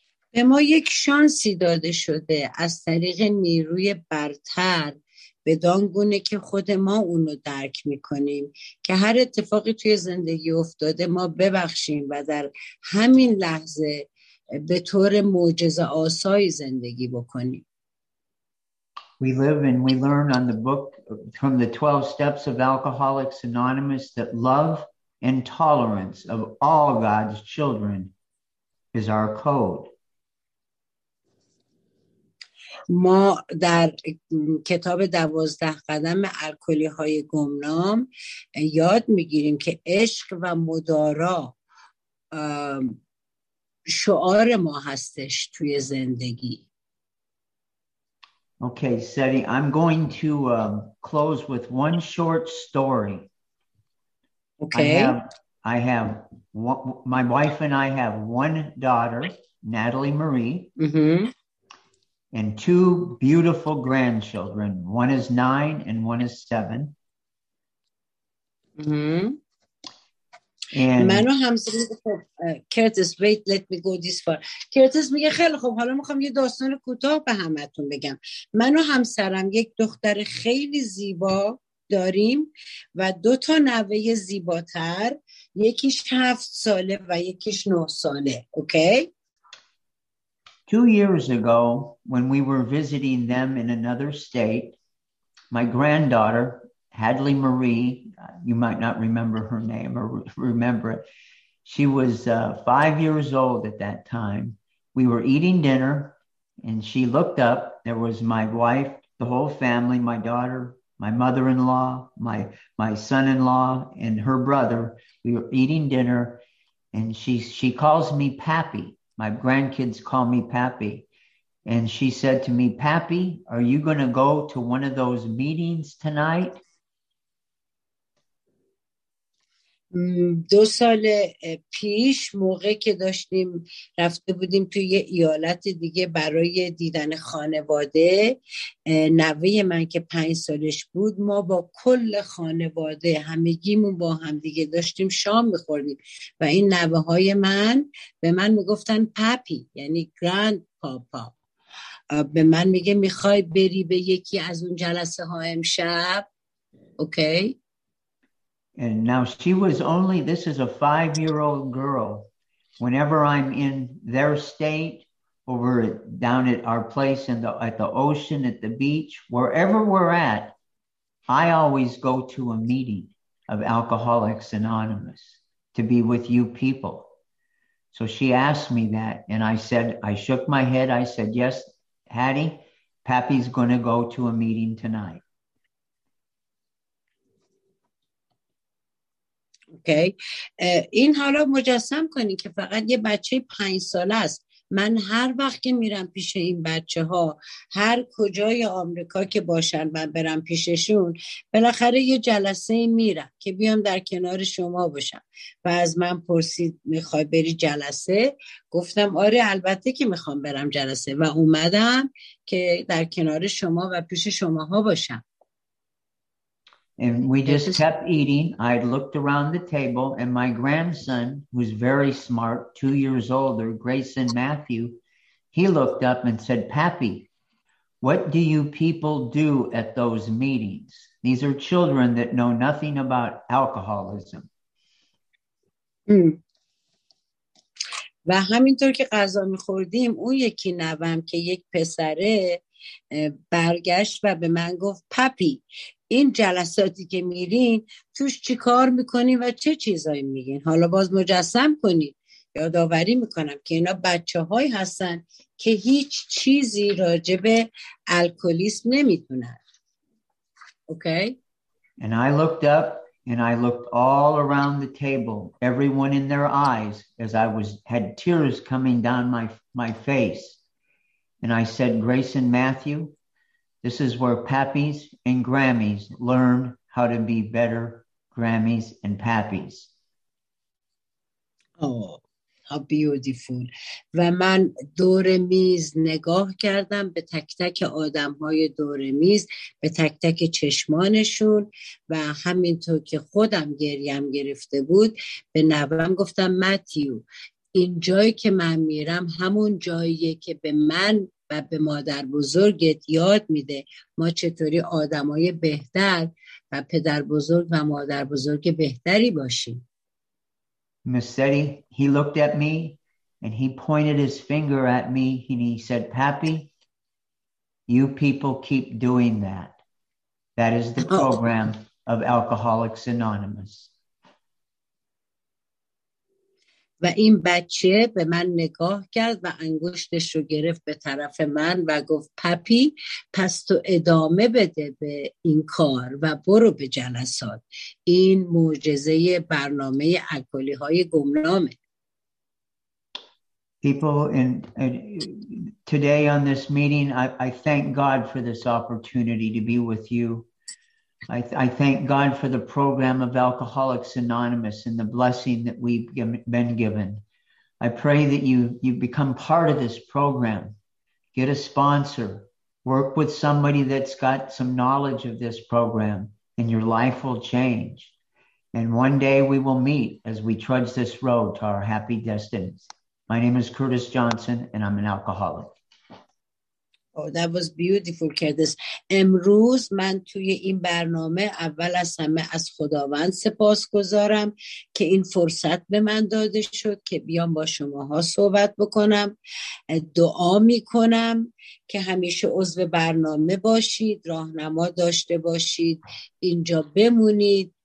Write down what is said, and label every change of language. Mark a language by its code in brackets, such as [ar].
[fa] به ما یک شانسی داده شده از طریق نیروی برتر، بدان گونه که خود ما اونو درک میکنیم، که هر اتفاقی توی زندگی افتاده ما ببخشیم و در همین لحظه به طور معجزه آسای زندگی بکنیم. [en] We live and we learn on the book from the 12 steps of Alcoholics Anonymous that love and tolerance of all God's children is our code. [fa] ما در کتاب 12 قدم الکلی های گمنام یاد میگیریم که عشق و مدارا شعار ما هستش توی زندگی. [en] Okay, Seti, I'm going to close with one short story. Okay. My wife and I have one daughter, Natalie Marie, and two beautiful grandchildren. One is 9 and one is 7. [fa] منو همسری کرتیس [en] wait let me go this far [fa] کرتیس میگه خیلی خوب حالا میخوام یه داستان کوتاه به همتون بگم. منو همسرم یک دختر خیلی زیبا داریم و دو تا نوه زیباتر، یکیش 7 ساله و یکیش 9 ساله. اوکی. [en] 2 years ago when we were visiting them in another state, my granddaughter Hadley Marie, you might not remember her name or remember it. She was 5 years old at that time. We were eating dinner and she looked up. There was my wife, the whole family, my daughter, my mother-in-law, my son-in-law, and her brother. We were eating dinner and she calls me Pappy. My grandkids call me Pappy. And she said to me, Pappy, are you going to go to one of those meetings tonight? [fa] 2 سال پیش موقع که داشتیم رفته بودیم توی یه ایالت دیگه برای دیدن خانواده، نوه من که 5 سالش بود، ما با کل خانواده همگیمون با هم دیگه داشتیم شام میخوردیم و این نوه های من به من میگفتن پاپی، یعنی گراند پاپا. به من میگه میخوای بری به یکی از اون جلسه ها امشب؟ اوکی. [en] And now she was only, this is a 5-year-old girl. Whenever I'm in their state, over down at our place in the at the ocean, at the beach, wherever we're at, I always go to a meeting of Alcoholics Anonymous to be with you people. So she asked me that, and I said, I shook my head. I said, yes, Hattie, Pappy's going to go to a meeting tonight. [fa] اوکی. این حالا مجسم کنی که فقط یه بچه 5 ساله است. من هر وقت که میرم پیش این بچه ها هر کجای آمریکا که باشن من برم پیششون، بالاخره یه جلسه میرم که بیام در کنار شما باشم. و از من پرسید میخوای بری جلسه؟ گفتم آره البته که میخوام برم جلسه و اومدم که در کنار شما و پیش شماها باشم. [en] And we just kept eating. I looked around the table and my grandson, who's very smart, 2 years older, Grayson Matthew, he looked up and said, Pappy, what do you people do at those meetings? These are children that know nothing about alcoholism. [fa] و همینطور که غذا می‌خوردیم، اون یکی نوام که یک پسره برگشت و به من گفت پاپی، این جلساتی که میرین توش چی کار میکنین و چه چیزایی میگین؟ حالا باز مجسم کنین، یادآوری میکنم که اینا بچه های هستن که هیچ چیزی راجع به الکولیسم نمیدونن. اوکی. [en] And I looked up and I looked all around the table, everyone in their eyes, as I was had tears coming down my face. And I said, Grace and Matthew, this is where pappies and grammies learn how to be better grammies and pappies. Oh, how beautiful. [fa] و من دور میز نگاه کردم به تک تک آدم های دور میز، به تک تک چشمانشون، و همینطور که خودم گریم گرفته بود به نوام گفتم ماتیو، این جایی که من میرم همون جاییه که به من و به مادر بزرگت یاد میده ما چطوری آدمای بهتر و پدر بزرگ و مادر بزرگ بهتری باشیم. [en] Mr. He looked at me and he pointed his finger at me and he said, Pappy, you people keep doing that. That is the program of Alcoholics Anonymous. [fa] و این بچه به من نگاه کرد و انگشتش رو گرفت به طرف من و گفت پاپی، پس تو ادامه بده به این کار و برو به جلسات. این معجزه برنامه الکلی های گمنامه. [en] people in today on this meeting, I thank God for this opportunity to be with you. I thank God for the program of Alcoholics Anonymous and the blessing that we've been given. I pray that you become part of this program. Get a sponsor. Work with somebody that's got some knowledge of this program, and your life will change. And one day we will meet as we trudge this road to our happy destinies. My name is Curtis Johnson, and I'm an alcoholic. Oh, that was beautiful, Curtis. [fa] امروز من توی این برنامه اول از همه از خداوند سپاسگزارم که این فرصت به من داده شد که بیام با شماها صحبت بکنم. دعا میکنم که همیشه عضو برنامه باشید، راهنما داشته باشید، اینجا بمونید.